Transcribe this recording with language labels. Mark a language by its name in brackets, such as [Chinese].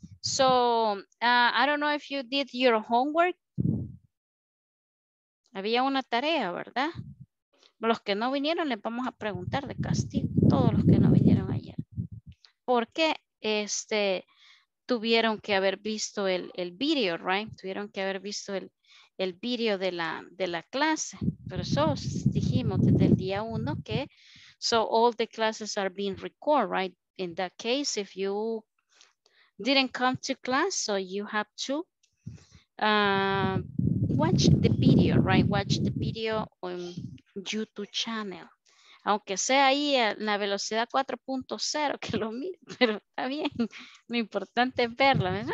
[English] So, I don't know if you did your homework. [Spanish] Había una tarea, ¿verdad? Los que no vinieron, les vamos a preguntar de castigo. Todos los que no vinieron ayer. ¿Por qué tuvieron que haber visto el video, [English] right? [Spanish] Tuvieron que haber visto el video de la clase. Pero eso dijimos desde el día uno que [English] so all the classes are being recorded, right? In that case, if you didn't come to class, so you have to watch the video, right? Watch the video on YouTube channel. [Spanish] Aunque sea ahí en la velocidad 4.0, que lo mire, pero está bien. Lo importante es verlo.